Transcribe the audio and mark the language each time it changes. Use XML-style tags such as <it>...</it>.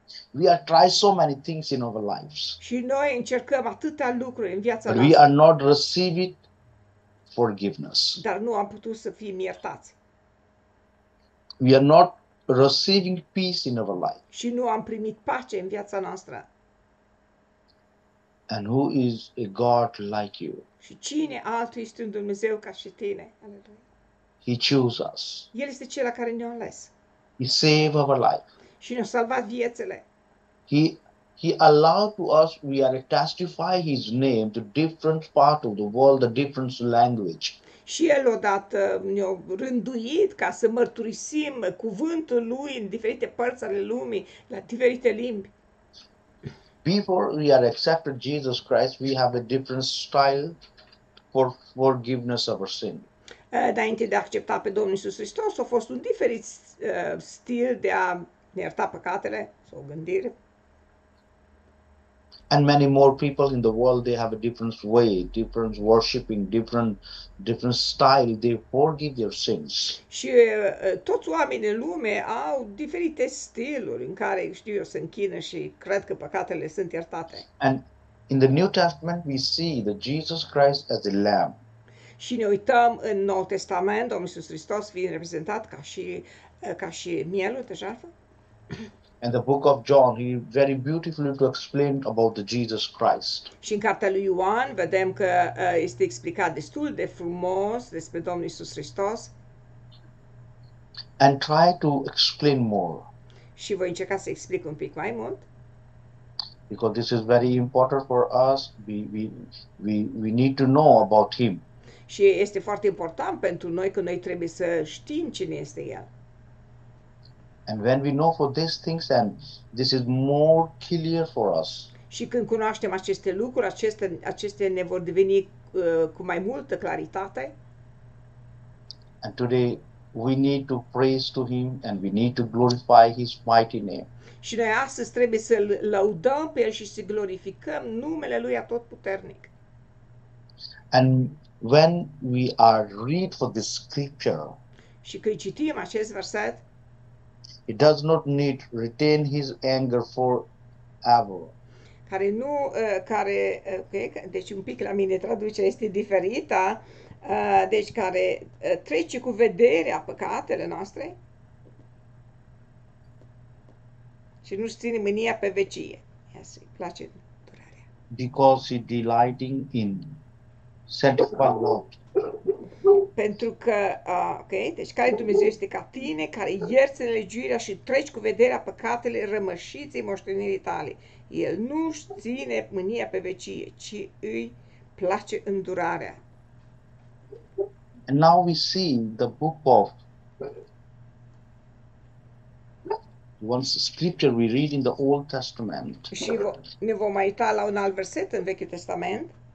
<en>We are trying so many things in our lives.</en> <ro>Și noi încercăm atâtea lucruri în viața</ro> <en>but</en> <ro>noastră.</ro> <en>We are not receiving forgiveness.</en> <ro>Dar nu am putut să fim iertați.</ro> <en>We are not receiving peace in our life.</en> <ro>Și nu am primit pace în viața noastră.</ro> <en>And who is a God like you?</en> <ro>Și cine altul este un Dumnezeu ca și tine?</ro> <en>He chose us.</en> <ro>El este cel care ne-a ales.</ro> <en>He saved our life.</en> <ro>Și ne-a salvat viețile.</ro> <en>He allowed to us, we are testify his name to different part of the world, the different language.</en> <ro>Și el odată ne-a rânduit ca să mărturisim cuvântul lui în diferite părți ale lumii, la diferite limbi.</ro> <en>Before we are accepted Jesus Christ, we have a different style for forgiveness of our sin.</en> <ro>Înainte de a accepta pe Domnul Iisus Hristos, a fost un diferit stil de a ne ierta păcatele sau gândire.</ro> <en>And many more people in the world, they have a different way, different worshiping, different style, they forgive their sins.</en> <ro>Și toți oamenii în lume au diferite stiluri în care, știu eu, se închină și cred că păcatele sunt iertate.</ro> <en>And in the New Testament we see that Jesus Christ as a lamb.</en> <ro>Și ne uităm în Noul Testament, Domnul Iisus Hristos fiind reprezentat ca și mielul de jertfă.</ro> <en>And the book of John, he very beautifully to explain about the Jesus Christ.</en> <ro>Și în cartea lui Ioan vedem că este explicat destul de frumos despre Domnul Iisus Hristos.</ro> <en>And try to explain more.</en> <ro>Și voi încerca să explic un pic mai mult.</ro> <en>Because this is very important for us. We need to know about him.</en> <ro>Și este foarte important pentru noi că noi trebuie să știm cine este el.</ro> <en>And when we know for these things, then this is more clear for us.</en> <ro>Și când cunoaștem aceste lucruri, acestea ne vor deveni cu mai multă claritate.</ro> <en>And today we need to praise to him and we need to glorify his mighty name.</en> <ro>Și noi astăzi trebuie să-l laudăm pe el și să glorificăm numele lui atotputernic.</ro> <en>And when we are read for this scripture.</en> <ro>Și când citim acest verset,</ro> <en>it does not need retain his anger for ever.</en> <ro>Care nu care okay, deci un pic la mine traducerea este diferită, deci care trece cu vederea păcatele noastre și nu ține mânia pe vecie. Yes, îi place durarea.</ro> <en>Because he delighting in sanctified love.</en> <ro>Pentru că, ok, deci care Dumnezeu este ca tine, care ierți nelegiuirea și treci cu vederea păcatele rămășiții moștenirii tale. El nu își ține mânia pe vecie, ci îi place îndurarea.</ro> <en>And now we see the book of once scripture we read in the Old Testament.</en> <ro>Și ne vom mai uita la un alt verset în Vechiul Testament.</ro>